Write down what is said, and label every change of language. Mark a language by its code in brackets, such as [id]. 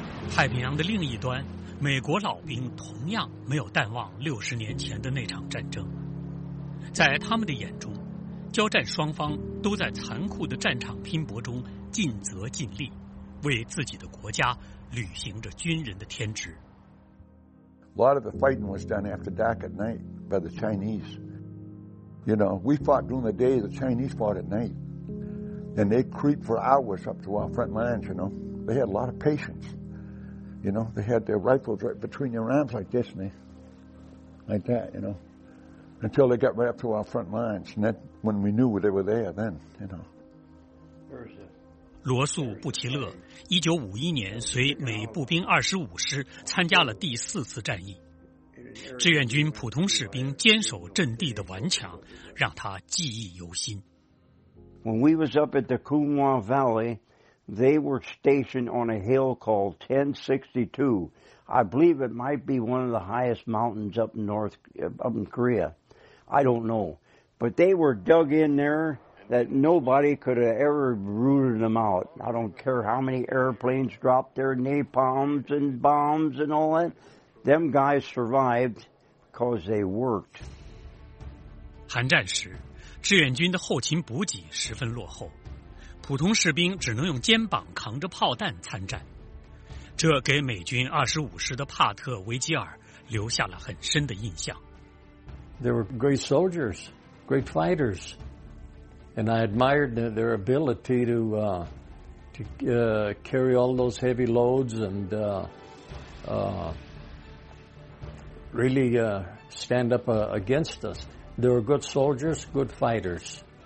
[zh] 太平洋的另一端，美国老兵同样没有淡忘六十年前的那场战争。在他们的眼中，交战双方都在残酷的战场拼搏中尽责尽力，为自己的国家履行着军人的天职。 [en] A lot of the fighting was done after dark at night by the Chinese. You know, we fought during the day, the Chinese fought at night. And they creep for hours up to our front lines, you know. They had a lot of patience. You know, they had their rifles right between their arms like this, and like that, you know. Until they got right up to our front lines. And then when we knew they were there, then, you know. Where is it? [zh] 罗素·布奇勒1951年随美步兵25师参加了第四次战役，志愿军普通士兵坚守阵地的顽强让他记忆犹新。 [en] When we was up at the Kumwa Valley, they were stationed on a hill called 1062. I believe it might be one of the highest mountains up north, up in Korea. I don't know. But they were dug in there. That nobody could have ever rooted them out. I don't care how many airplanes dropped their napalms and bombs and all that. Them guys survived because they worked. [zh] 韩战时，志愿军的后勤补给十分落后，普通士兵只能用肩膀扛着炮弹参战，这给美军25师的帕特·维吉尔留下了很深的印象。 [en] There were great soldiers, great fighters. And I admired their ability to carry all those heavy loads and really stand up against us. They were good soldiers, good fighters.